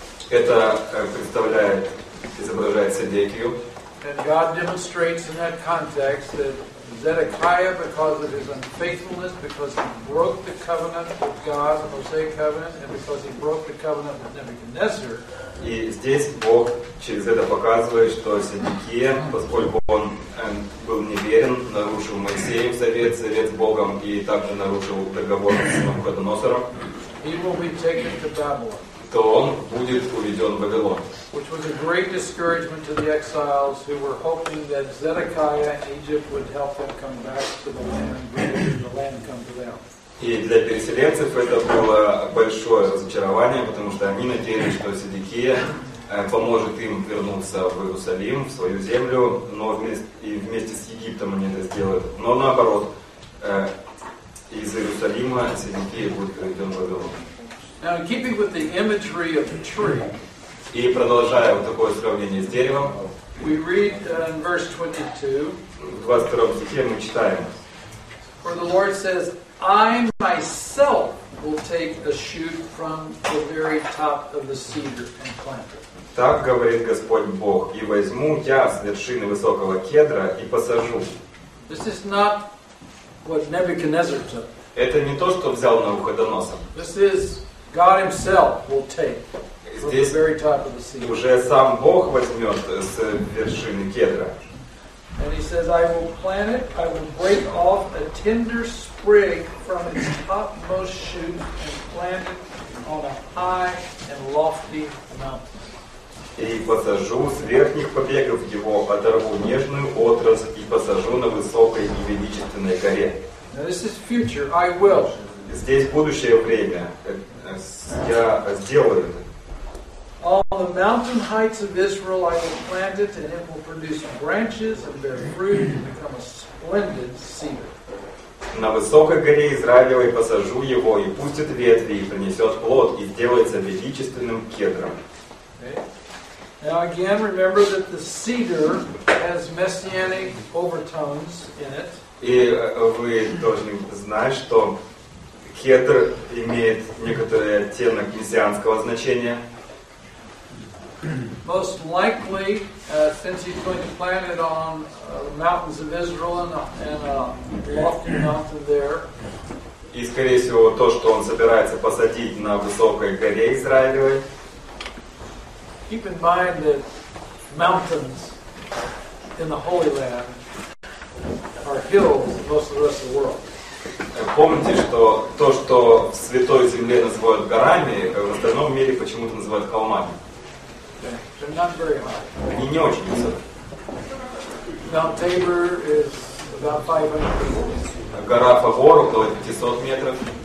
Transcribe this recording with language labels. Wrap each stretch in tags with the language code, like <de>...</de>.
<ru>Это представляет, изображает Сидекию.</ru> <en>And God demonstrates in that context that Zedekiah, because of his unfaithfulness, because he broke the covenant with God, the Mosaic covenant, and because he broke the covenant with Nebuchadnezzar.</en> <ru>И здесь Бог через это показывает, что Сидекия, поскольку он был неверен, нарушил Моисеев завет, завет с Богом, и также нарушил договор с Навуходоносором,</ru> <en>he will be taken to Babylon,</en> <ru>то он будет уведен в Вавилон.</ru> <en>Which was a great discouragement to the exiles who were hoping that Zedekiah and Egypt would help them come back to the land and bring the land come to them.</en> <ru>И для переселенцев это было большое разочарование, потому что они надеялись, что Сидекия поможет им вернуться в Иерусалим, в свою землю, но вместе с Египтом они это сделают. Но наоборот, из Иерусалима Сидекия будет приведен в Вавилон.</ru> <en>Now, in keeping with the imagery of the tree,</en> <ru>и продолжая вот такое сравнение с деревом,</ru> <en>we read in verse 22,</en> <ru>в 22 стихе мы читаем:</ru> <en>For the Lord says, I myself will take a shoot from the very top of the cedar and plant it.</en> <ru>Так говорит Господь Бог, и возьму я с вершины высокого кедра и посажу.</ru> <en>This is not what Nebuchadnezzar took.</en> <ru>Это не то, что взял Навуходоносор.</ru> <en>This is God himself will take from the very top of the cedar.</en> <ru>Здесь уже сам Бог возьмет с вершины кедра.</ru> <en>And he says, I will plant it, I will break off a tender sprig from its topmost shoot and plant it on a high and lofty mountain.</en> <ru>И посажу с верхних побегов его, оторву нежную отрасль и посажу на высокой и величественной горе.</ru> <en>Now this is future, I will.</en> <ru>Здесь будущее время. Я сделаю это.</ru> <en>On the mountain heights of Israel I will plant it, and it will produce branches and bear fruit and become a splendid cedar.</en> <ru>На высокой горе Израилевой посажу его, и пустит ветви, и принесет плод, и сделается величественным кедром.</ru> <en>Okay. Now again, remember that the cedar has messianic overtones in it.</en> <ru>И вы должны знать, что кедр имеет некоторый оттенок мессианского значения.</ru> <en>Most likely, since he's going to plant it on the mountains of Israel and a lofty mountain there.</en> <ru>И скорее всего то, что он собирается посадить на высокой горе Израилевой.</ru> <en>Keep in mind that mountains in the Holy Land are hills in most of the rest of the world.</en> <ru>Помните, что то, что в Святой Земле называют горами, в остальном мире почему-то называют холмами.</ru> <en>They're not very high.</en> <ru>Они не очень высоки.</ru> <en>Mount Tabor is about 500 feet.</en> <ru>Гора Фавор около 500 метров.</ru>